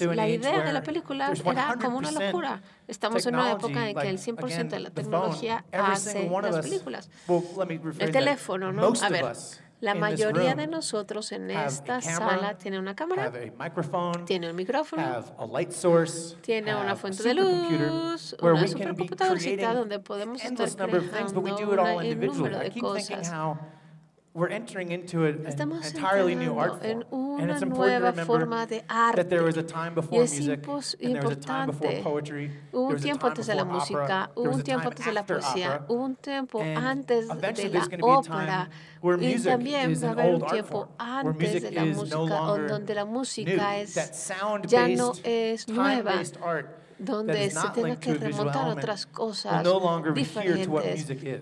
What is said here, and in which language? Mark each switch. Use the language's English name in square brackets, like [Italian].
[Spanish] La idea de la película era como una locura. Estamos en una época en que el 100% de la tecnología hace las películas. El teléfono, ¿no? A ver, la mayoría de nosotros en esta sala tiene una cámara, tiene un micrófono, tiene una fuente de luz, una supercomputadora donde podemos estar creando un número de cosas. [English] We're entering into an entirely new art form. [Spanish] En una [English] and it's [Spanish] nueva forma de arte. [English] That there was a time before music, and there was a time before poetry. [Spanish] Hubo un tiempo antes de la música, hubo un tiempo antes de la poesía, hubo un tiempo antes de la ópera, y también va a haber un tiempo antes de la música, donde la música ya no es nueva. Donde se tenga que remontar a otras cosas diferentes.